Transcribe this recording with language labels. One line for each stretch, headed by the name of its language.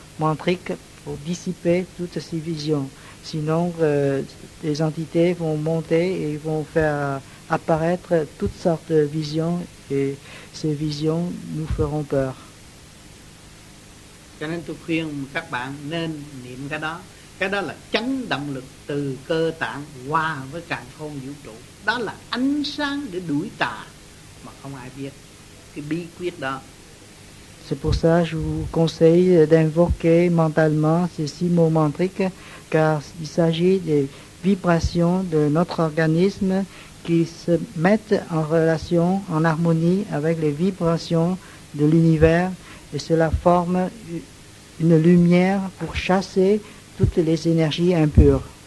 French: mantriques pour dissiper toutes ces visions. Sinon, les entités vont monter et vont faire apparaître toutes sortes de visions et ces visions nous feront peur.
Vietnamese: Cho nên tôi khuyên các bạn nên niệm cái đó. Cái đó là chánh động lực từ cơ tạng hòa với càn khôn vũ trụ. Đó là ánh sáng để đuổi tà mà không ai biết cái bí quyết đó.
French: C'est pour ça que je vous conseille d'invoquer mentalement ces six mots mantriques, car il s'agit des vibrations de notre organisme qui se mettent en relation, en harmonie avec les vibrations de l'univers, et cela forme une lumière pour chasser toutes les énergies impures.